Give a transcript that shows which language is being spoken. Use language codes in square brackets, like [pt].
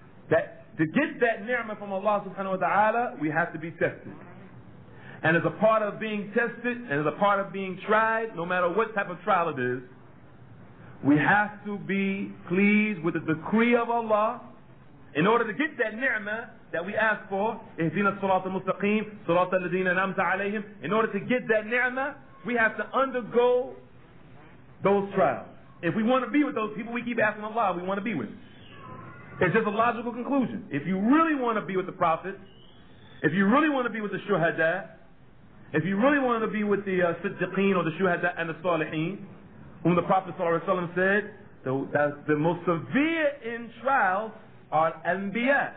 [en] That to get that ni'mah from Allah subhanahu wa ta'ala, we have to be tested. And as a part of being tested, and as a part of being tried, no matter what type of trial it is, we have to be pleased with the decree of Allah in order to get that ni'mah that we ask for. [ar] اهدنا الصراط المستقيم صراط الذين أنعمت عليهم. [en] In order to get that ni'mah, we have to undergo those trials. If we want to be with those people, we keep asking Allah, we want to be with them. It's just a logical conclusion. If you really want to be with the prophets, if you really want to be with the shuhada, if you really want to be with the siddiqeen or the shuhada and the salihin, whom the Prophet ﷺ said, that the most severe in trials are al-anbiya.